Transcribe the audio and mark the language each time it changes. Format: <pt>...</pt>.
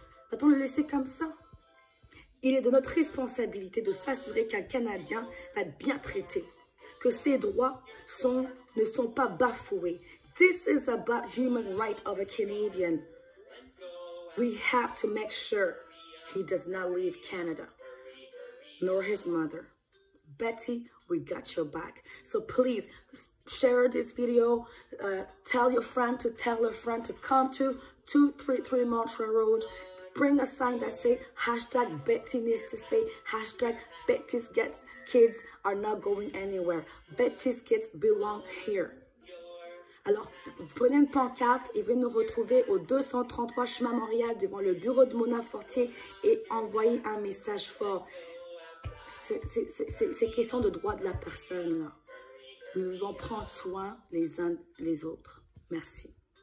<fr>Va-t-on le laisser comme ça? Il est de notre responsabilité de s'assurer qu'un Canadien va être bien traité, que ses droits ne sont pas bafoués.</fr> <en>This is about human rights of a Canadian. We have to make sure he does not leave Canada, nor his mother. Betty, we got your back. So please share this video. Tell your friend to tell a friend to come to 233 Montreal Road. Bring a sign that say hashtag Betty needs to stay. Hashtag Betty's gets kids are not going anywhere. Betty's kids belong here.</en> <fr>Alors, prenez une pancarte et venez nous retrouver au 233 Chemin Montréal devant le bureau de Mona Fortier et envoyez un message fort. C'est question de droit de la personne, là. Nous devons prendre soin les uns les autres. Merci.</fr>